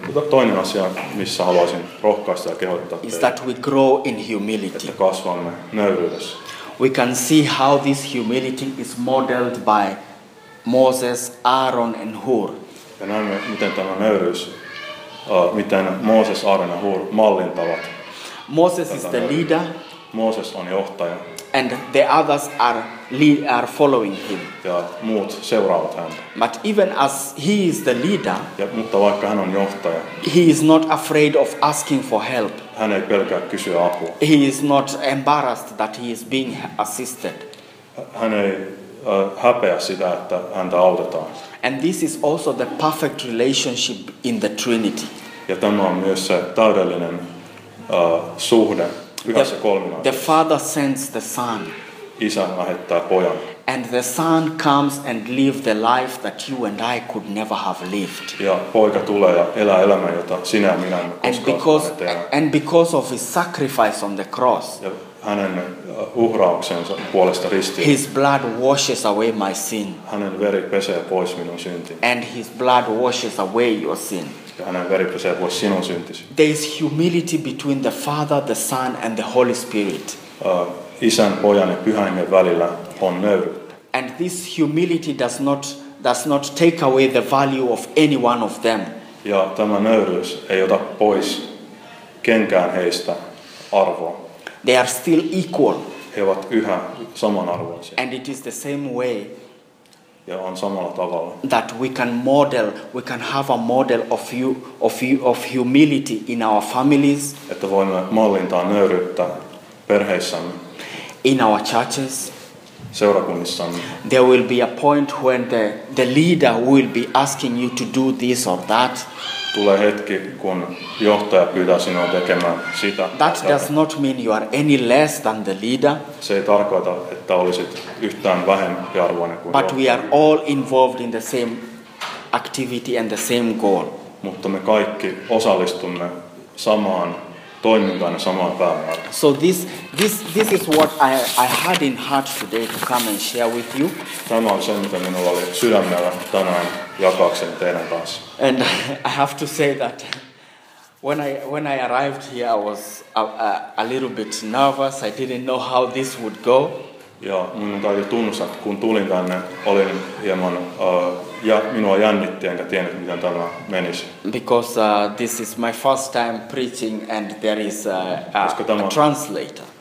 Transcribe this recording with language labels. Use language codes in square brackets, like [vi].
[fi] Toinen asia, missä haluaisin rohkaista ja kehottaa teitä. [en] Is that we grow in humility. [fi] Että kasvamme nöyryydessä. [en] we can see how this humility is modeled by Moses, Aaron and Hur. [fi] Ja näemme, miten tämä nöyryys, miten Moses, Aaron ja Hur mallintavat. [en] Moses is the leader. [fi] Moses on johtaja. [en] And the others are following him. [fi] Ja muut seuraavat häntä. [en] But even as he is the leader, [fi] ja, mutta vaikka hän on johtaja, [en] he is not afraid of asking for help. [fi] Hän ei pelkää kysyä apua. [en] He is not embarrassed that he is being assisted. [fi] Hän ei häpeä sitä, että häntä autetaan. [en] And this is also the perfect relationship in the Trinity. [fi] Ja tämä on myös se täydellinen suhde. [en] The Father sends the Son. [fi] Isä lähettää pojan. [en] And the Son comes and lives the life that you and I could never have lived. [fi] Ja poika tulee ja elää elämän, jota sinä ja minä emme koskaan tehdä. [en] And because of his sacrifice on the cross. [fi] Ja hänen uhrauksensa puolesta ristiin. [en] His blood washes away my sin. [fi] Hänen veri pesee pois minun syntini. [en] And his blood washes away your sin. There is humility between the Father, the Son, and the Holy Spirit. [fi] Isän, pojan ja pyhän hengen välillä on nöyryyttä. [en] And this humility does not take away the value of any one of them. [fi] Ja tämä nöyryys ei ota pois kenkään heistä arvoa. [en] They are still equal. [fi] He ovat yhä samanarvoisia. [en] And it is the same way. [fi] Ja on samalla tavalla. [en] That we can have a model of humility in our families. [fi] Että voimme mallintaa nöyryyttä perheissämme. [en] In our churches. [fi] Seurakunnissamme. [en] There will be a point when the leader will be asking you to do this or that. [fi] Tulee hetki, kun johtaja pyytää sinua tekemään sitä. [en] That does not mean you are any less than the leader. [fi] Se ei tarkoita, että olisit yhtään vähempi arvoinen kuin johtaja. [en] But we are all involved in the same activity and the same goal. [fi] Mutta me kaikki osallistumme samaan toimintaan ja samaan päämäärään. [en] So this is what I had in heart today to come and share with you. [fi] Tämä on se, mitä minulla oli sydämellä tänään. Jakaakseni teidän kanssa. [en] And I have to say that when I arrived here, I was a little bit nervous. I didn't know how this would go. [fi] Ja minun täytyy tunnustaa, että kun tulin tänne, olin hieman minua jännitti, enkä tiennyt, miten tämä menisi. [en] Because this is my first time preaching, and there is a translator.